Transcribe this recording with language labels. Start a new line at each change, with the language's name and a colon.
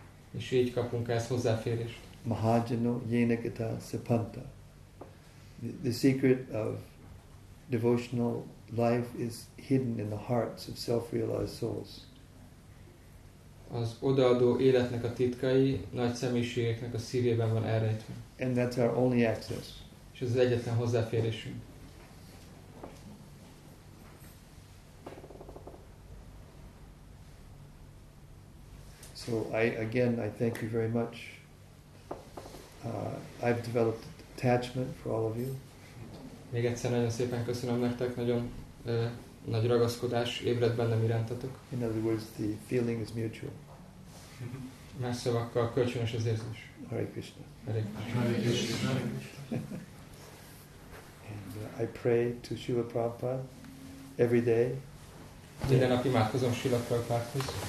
Hungarian: És így kapunk ezt hozzáférést.
Sanskrit: Mahajano yenakata sapanta.
English: The secret of devotional life is hidden in the hearts of self-realized souls.
Hungarian: Az odaadó életnek a titkai nagy személyiségeknek a szívében van elrejtve.
English: And that's our only access.
Hungarian: És ez az egyetlen hozzáférésünk.
English: So I thank you very much. I've developed attachment for all of you.
Hungarian: Még egyszer nagyon szépen köszönöm nektek, nagyon nagy ragaszkodás ébredt bennem irántatok.
English: In other words, the feeling is mutual.
Hungarian: Más szavakkal, kölcsönös az érzés.
English: Hare Krishna. Hare Krishna. And I pray to Srila Prabhupada every day.
Hungarian: Minden nap imádkozom Srila Prabhupádhoz.